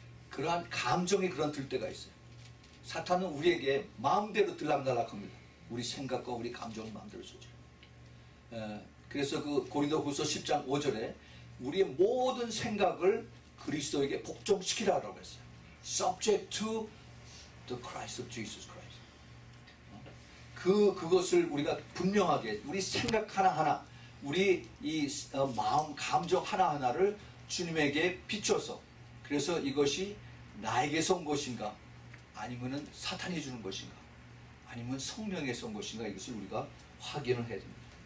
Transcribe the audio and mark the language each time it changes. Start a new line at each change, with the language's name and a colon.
Korean: 그러한 감정이 그런 들 때가 있어요. 사탄은 우리에게 마음대로 들락날락합니다. 우리 생각과 우리 감정을 마음대로 쓰죠. 그래서 그 고린도후서 10장 5절에 우리의 모든 생각을 그리스도에게 복종시키라라고 했어요.
English: Subject to the Christ of Jesus Christ.
Korean: 그것을 우리가 분명하게 우리 생각 하나하나 우리 이 마음 감정 하나하나를 주님에게 비춰서 그래서 이것이 나에게서 온 것인가 아니면은 사탄이 주는 것인가 아니면 성령에서 온 것인가 이것을 우리가 확인을 해야 됩니다.